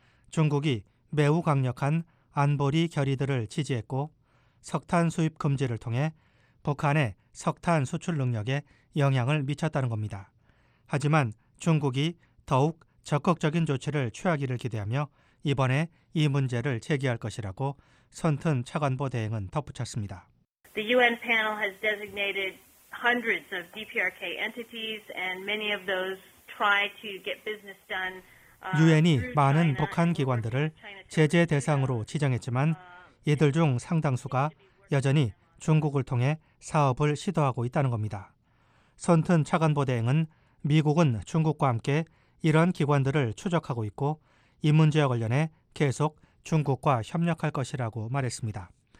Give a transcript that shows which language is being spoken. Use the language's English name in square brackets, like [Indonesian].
[Korean] 중국이 매우 강력한 안보리 결의들을 지지했고 석탄 수입 금지를 통해 북한의 석탄 수출 능력에 영향을 미쳤다는 겁니다. 하지만 중국이 더욱 적극적인 조치를 취하기를 기대하며 이번에 이 문제를 제기할 것이라고 선튼 차관보 대행은 덧붙였습니다. [English] The UN panel has designated hundreds of DPRK entities and many of those try to get business done. [Korean] UN이 많은 북한 기관들을 제재 대상으로 지정했지만 이들 중 상당수가 여전히 중국을 통해 사업을 시도하고 있다는 겁니다. 선튼 차관보 대행은 미국은 중국과 함께 이런 기관들을 추적하고 있고 이 문제와 관련해 계속 중국과 협력할 것이라고 말했습니다.